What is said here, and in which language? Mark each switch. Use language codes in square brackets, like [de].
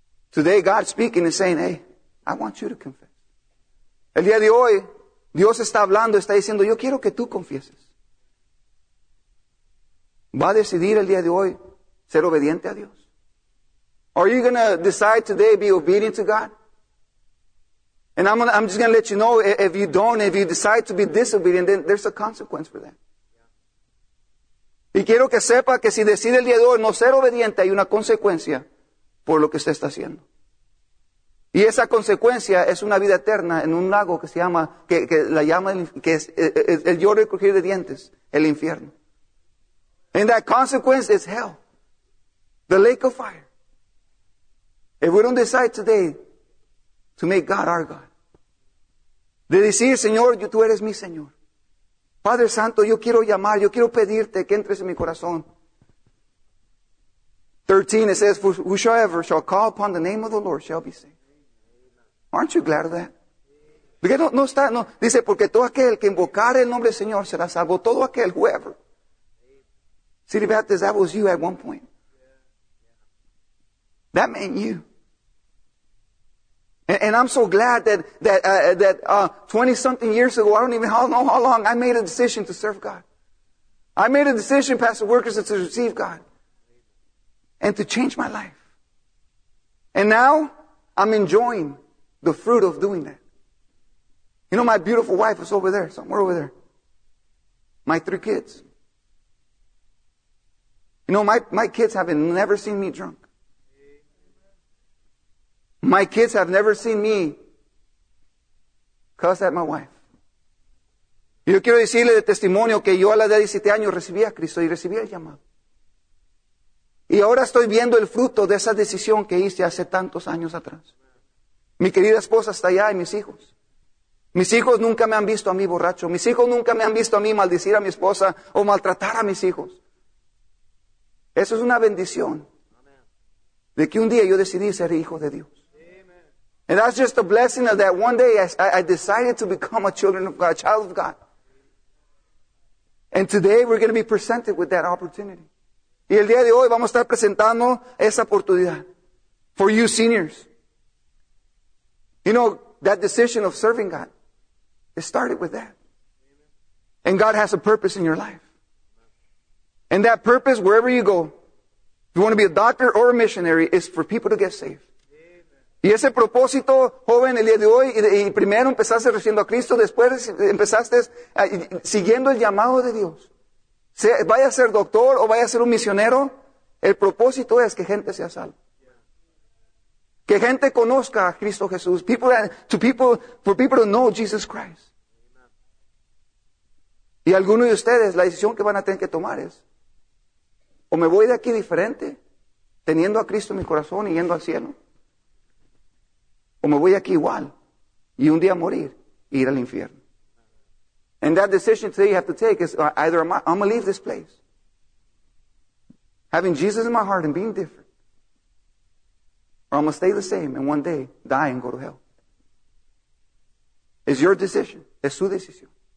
[en] Today, God speaking is saying, hey, I want you to confess. [es] El día de hoy, Dios está hablando, está diciendo, yo quiero que tú confieses. Va a decidir el día de hoy ser obediente a Dios. [en] Are you going to decide today to be obedient to God? And I'm just going to let you know, if you don't, if you decide to be disobedient, then there's a consequence for that. [es] Y quiero que sepa que si decide el día de hoy no ser obediente, hay una consecuencia por lo que usted está haciendo. Y esa consecuencia es una vida eterna en un lago que se llama, que la llama, que es el lloro y crujir de dientes, el infierno. [en] And that consequence is hell, the lake of fire. If we don't decide today to make God our God, [es] de decir, Señor, tú eres mi Señor. Padre Santo, yo quiero llamar, yo quiero pedirte que entres en mi corazón. [en] 13, it says, whosoever shall call upon the name of the Lord shall be saved. Aren't you glad of that? [es] Porque no está, no. Dice, porque todo aquel que invocare el nombre del Señor será salvo. Todo aquel, [en] whoever. City Baptist, that was you at one point. That meant you. And I'm so glad that 20-something years ago, I don't even know how long, I made a decision to serve God. I made a decision, Pastor Workers, to receive God and to change my life. And now, I'm enjoying the fruit of doing that. You know, my beautiful wife is over there, somewhere over there. My three kids. You know, my kids have never seen me drunk. My kids have never seen me cuss at my wife. [es] Yo quiero decirle de testimonio que yo a la edad de 17 años recibí a Cristo y recibí el llamado. Y ahora estoy viendo el fruto de esa decisión que hice hace tantos años atrás. Mi querida esposa está allá y mis hijos. Mis hijos nunca me han visto a mí borracho. Mis hijos nunca me han visto a mí maldecir a mi esposa o maltratar a mis hijos. Eso es una bendición. De que un día yo decidí ser hijo de Dios. [en] And that's just a blessing of that one day I decided to become a child of God. And today we're going to be presented with that opportunity. [es] Y el día de hoy vamos a estar presentando esa oportunidad. [en] For you seniors. You know, that decision of serving God, it started with that. And God has a purpose in your life. And that purpose, wherever you go, if you want to be a doctor or a missionary, is for people to get saved. [es] Y ese propósito, joven, el día de hoy, y primero empezaste recibiendo a Cristo, después empezaste siguiendo el llamado de Dios. Vaya a ser doctor o vaya a ser un misionero, el propósito es que gente sea salva. Que gente conozca a Cristo Jesús. [en] For people to know Jesus Christ. [es] Y algunos de ustedes, la decisión que van a tener que tomar es, o me voy de aquí diferente, teniendo a Cristo en mi corazón y yendo al cielo, o me voy aquí igual, y un día morir, y ir al infierno. [en] And that decision today you have to take is either I'm going to leave this place, having Jesus in my heart and being different, or I'm going to stay the same and one day die and go to hell. It's your decision. [es] Es su decisión.